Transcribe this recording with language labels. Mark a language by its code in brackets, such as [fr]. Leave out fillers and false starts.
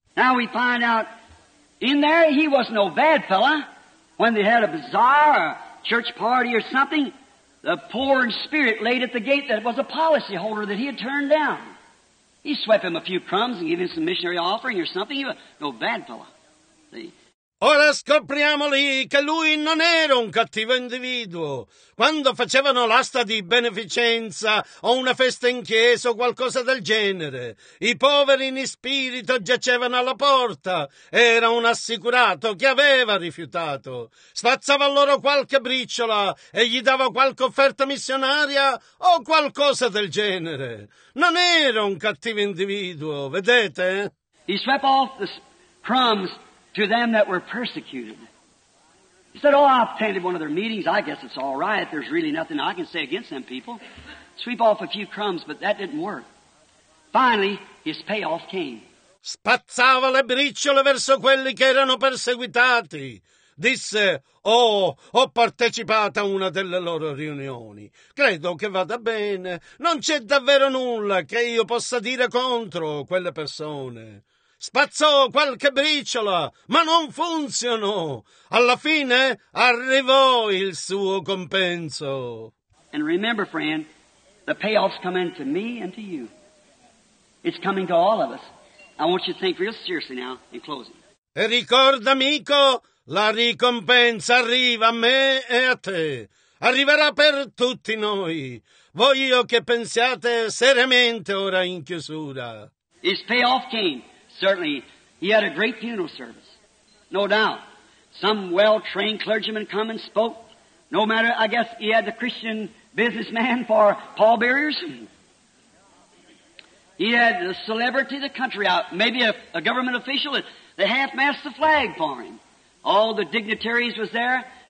[en] Now we find out in there he was no bad fella. When they had a bazaar, a church party or something, the poor in spirit laid at the gate that was a policy holder that he had turned down. He swept him a few crumbs and gave him some missionary offering or something. He was no bad fella. See? [it] Ora scopriamo lì che lui non era un cattivo individuo. Quando facevano l'asta di beneficenza o una festa in chiesa o qualcosa del genere, i poveri in spirito giacevano alla porta. Era un assicurato che aveva rifiutato. Spazzava loro qualche briciola e gli dava qualche offerta missionaria o qualcosa del genere. Non era un cattivo individuo, vedete? [en] He swept off the crumbs to them that were persecuted. He said, oh, I've attended one of their meetings. I guess it's all right. There's really nothing I can say against them people. Sweep off a few crumbs, but that didn't work. Finally, his payoff came. [it] Spazzava le briciole verso quelli che erano perseguitati. Disse, oh, ho partecipato a una delle loro riunioni. Credo che vada bene. Non c'è davvero nulla che io possa dire contro quelle persone. Spazzò qualche briciola, ma non funzionò. Alla fine arrivò il suo compenso. [en] And remember, friend, the payoff's coming to me and to you. It's coming to all of us. I want you to think real seriously now in closing. [it] E ricorda, amico, la ricompensa arriva a me e a te. Arriverà per tutti noi. Voglio che pensiate seriamente ora in chiusura. [en] His payoff came. Certainly, he had a great funeral service, no doubt. Some well-trained clergyman come and spoke. No matter, I guess he had the Christian businessman for pallbearers. He had the celebrity of the country out, maybe a government official. They half-masted the flag for him. All the dignitaries was there.